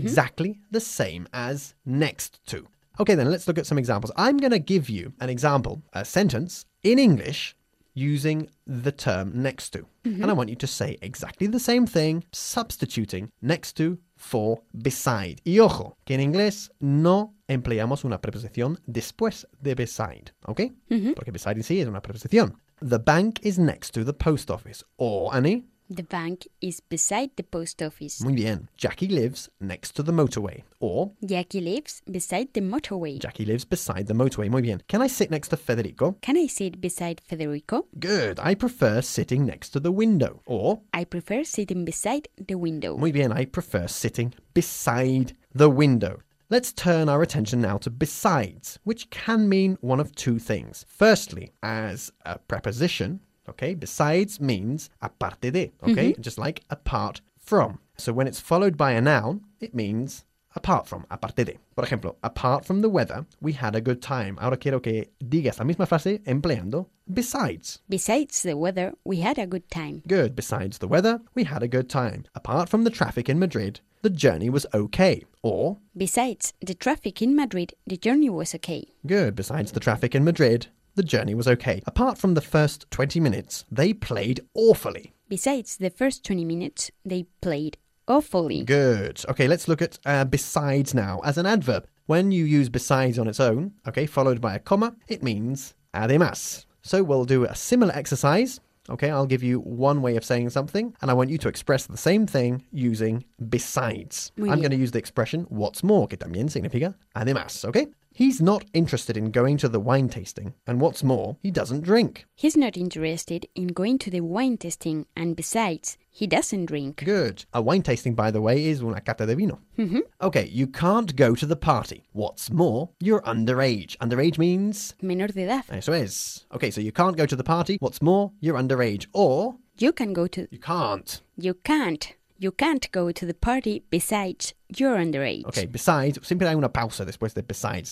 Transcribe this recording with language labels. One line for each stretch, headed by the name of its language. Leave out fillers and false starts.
English: exactly the same as next to. Okay, then let's look at some examples. I'm going to give you an example, a sentence in English, using the term next to. Mm-hmm. And I want you to say exactly the same thing, substituting next to for beside.
Spanish: Y ojo, que en inglés no empleamos una preposición después de beside, okay? Mm-hmm. Porque beside en sí es una preposición.
English: The bank is next to the post office. Or, Annie? The bank is beside the post office.
Spanish: Muy bien.
English: Jackie lives next to the motorway. Or? Jackie lives beside the motorway. Jackie lives beside the motorway.
Spanish: Muy bien.
English: Can I sit next to Federico? Can I sit beside Federico? Good. I prefer sitting next to the window. Or? I prefer sitting beside the window.
Spanish: Muy bien.
English: I prefer sitting beside the window. Let's turn our attention now to besides, which can mean one of two things. Firstly, as a preposition. Okay, besides means
Spanish: aparte de,
English: okay, mm-hmm. just like apart from. So when it's followed by a noun, it means apart from,
Spanish: aparte de. Por ejemplo,
English: apart from the weather, we had a good time.
Spanish: Ahora quiero que digas la misma frase empleando besides.
English: Besides the weather, we had a good time. Good, besides the weather, we had a good time. Apart from the traffic in Madrid, the journey was okay. Or? Besides the traffic in Madrid, the journey was okay. Good, besides the traffic in Madrid, the journey was okay. Apart from the first 20 minutes, they played awfully. Besides the first 20 minutes, they played awfully. Good. Okay, let's look at besides now as an adverb. When you use besides on its own, okay, followed by a comma, it means además. So we'll do a similar exercise. Okay, I'll give you one way of saying something, and I want you to express the same thing using besides.
Spanish: Muy
English: I'm going to use the expression what's more,
Spanish: que también significa además,
English: okay? He's not interested in going to the wine tasting, and what's more, he doesn't drink. He's not interested in going to the wine tasting, and besides, he doesn't drink. Good. A wine tasting, by the way, is
Spanish: una cata de vino. Mm-hmm.
English: Okay, you can't go to the party. What's more, you're underage. Underage means?
Spanish: Menor de edad. Eso es.
English: Okay, so you can't go to the party. What's more, you're underage. Or? You can go to... You can't. You can't. You can't go to the party besides you're underage.
Spanish: Okay, besides, siempre hay una pausa después de besides.